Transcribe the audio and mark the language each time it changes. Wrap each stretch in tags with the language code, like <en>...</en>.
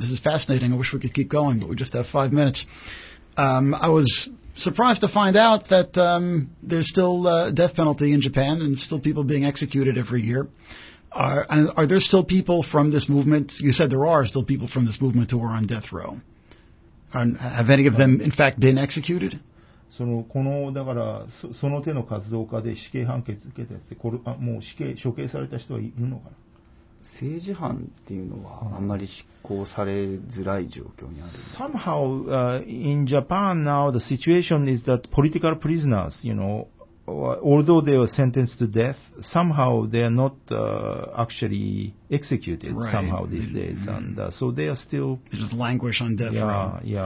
<en>This is fascinating. I wish we could keep going, but we just have 5 minutes. I was surprised to find out that there's still a death penalty in Japan and still people being executed every year. Are there still people from this movement? You said there are still people from this movement who are on death row. Have any of them, in fact, been executed?</en> <ja>だから、その手の活動家で死刑判決受けたやつで、これあもう死刑、処刑された人はいるのかな？政治犯っていうのは、あんまり執行されづらい状況にある。</ja> <en>Somehow, in Japan now, the situation is that political prisoners, you know, although they were sentenced to death, somehow they are not actually executed somehow these days. And so they are still... They just languish on death row.</en>